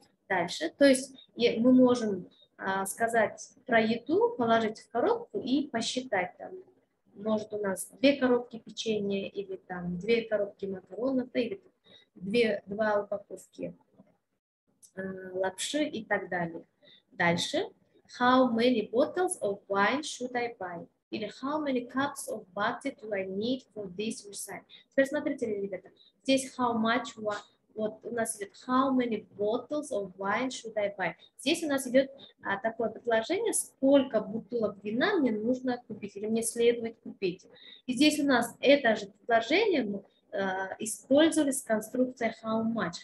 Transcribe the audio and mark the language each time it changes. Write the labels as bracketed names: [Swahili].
[Russian] Дальше, то есть мы можем сказать про еду, положить в коробку и посчитать там, может, у нас две коробки печенья, или там две коробки макарона, да, или два упаковки лапши и так далее. Дальше. [English] How many bottles of wine should I buy? [Russian] Или [English] how many cups of butter do I need for this recipe? [Russian] Теперь смотрите, ребята. Здесь [English] how much wine. [Russian] Вот у нас идет [English] how many bottles of wine should I buy? [Russian] Здесь у нас идет такое предложение, сколько бутылок вина мне нужно купить или мне следует купить. И здесь у нас это же предложение мы использовали с конструкцией how much.